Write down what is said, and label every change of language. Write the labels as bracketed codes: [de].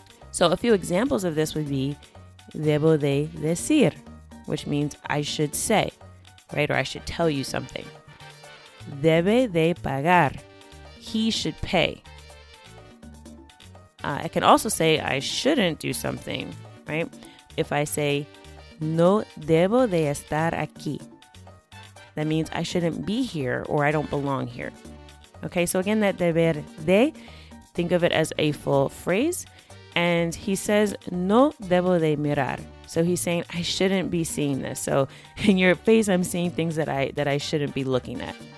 [en] So a few examples of this would be [es] debo de decir, [en] which means I should say, right? Or I should tell you something. [es] Debe de pagar, [en] he should pay. I can also say I shouldn't do something, right? If I say, [es] no debo de estar aquí. [en] That means I shouldn't be here or I don't belong here. Okay, so again, that deber de, think of it as a full phrase. And he says, [es] no debo de mirar. [en] So he's saying, I shouldn't be seeing this. So in your face, I'm seeing things that I shouldn't be looking at.